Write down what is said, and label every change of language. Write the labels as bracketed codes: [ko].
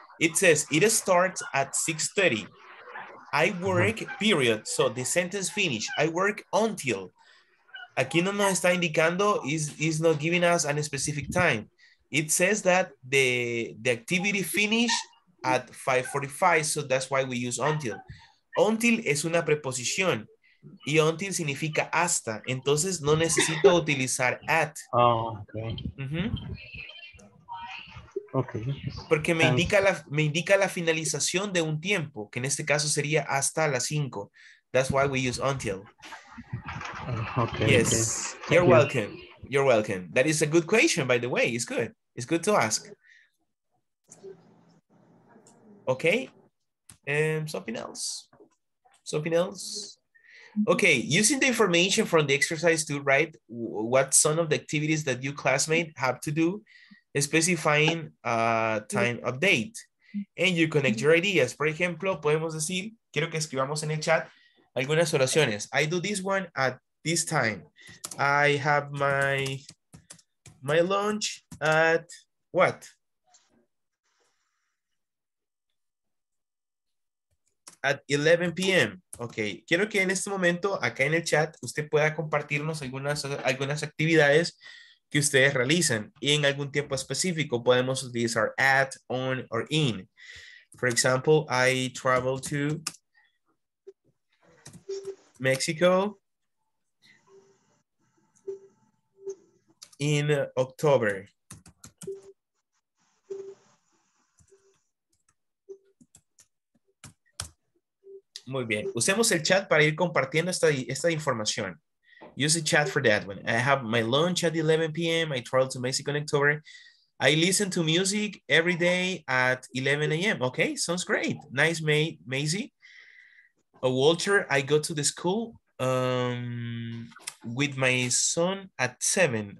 [en] It says it starts at 6:30. I work, period. So the sentence finish. I work until. [es] Aquí no nos está indicando, [en] is not giving us a specific time. It says that the activity finish at 5:45, so that's why we use until. [es] Until es una preposición, y until significa hasta, entonces no necesito utilizar at. [en] Oh, okay. Mm-hmm. Okay. [es] Porque me indica la finalización de un tiempo, que en este caso sería hasta las 5. [en] That's why we use until. Okay. Yes, okay. You're welcome. That is a good question, by the way. It's good to ask. Okay, something else. Okay, using the information from the exercise to write what some of the activities that you classmate have to do, specifying a time update, and you connect your ideas. [es] Por ejemplo, podemos decir, quiero que escribamos en el chat algunas oraciones. [en] I do this one at this time. I have my lunch at what? At 11 p.m. Okay. [es] Quiero que en este momento, acá en el chat, usted pueda compartirnos algunas actividades que ustedes realizan. Y en algún tiempo específico podemos utilizar at, on, or in. [en] For example, I travel to Mexico in October. [es] Muy bien. Usemos el chat para ir compartiendo esta información. [en] Use the chat for that one. I have my lunch at 11 p.m. I travel to Mexico in October. I listen to music every day at 11 a.m. Okay, sounds great. Nice, Maisie. Walter, I go to the school with my son at 7.